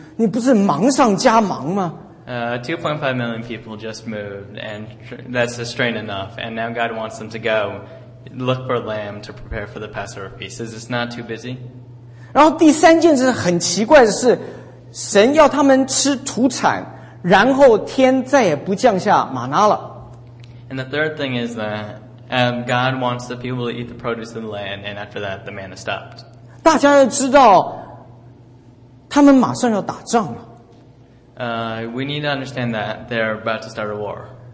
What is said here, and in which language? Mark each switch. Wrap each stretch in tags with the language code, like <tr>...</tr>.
<zh>哇，两三百万人变动单价已经够忙的，现在神还说一去，你赶快再找一只羊，要准备要有准备逾越节筵席，你不是忙上加忙吗？</zh> <en>2.5 million people just moved, and that's a strain enough. And now God wants them to go look for a lamb to prepare for the Passover feast. Is this not too busy?</en> <zh>然后第三件事很奇怪的是，神要他们吃土产，然后天再也不降下玛拿了。</zh> <en>And the third thing is that God wants the people to eat the produce of the land, and after that, the manna stopped.</en> <zh>大家要知道，他们马上要打仗了。</zh> <en>We need to understand that they're about to start a war.</en>